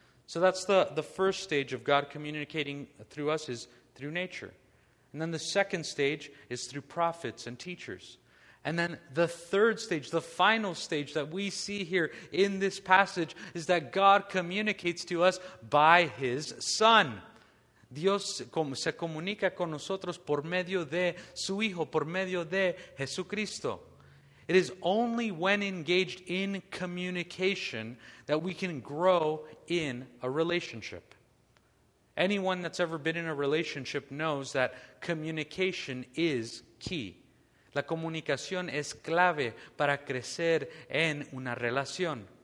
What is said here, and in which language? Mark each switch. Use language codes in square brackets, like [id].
[en] So that's the first stage of God communicating through us is through nature. And then the second stage is through prophets and teachers. And then the third stage, the final stage that we see here in this passage is that God communicates to us by his Son. [es] Dios se comunica con nosotros por medio de su Hijo, por medio de Jesucristo. [en] It is only when engaged in communication that we can grow in a relationship. Anyone that's ever been in a relationship knows that communication is key. [es] La comunicación es clave para crecer en una relación.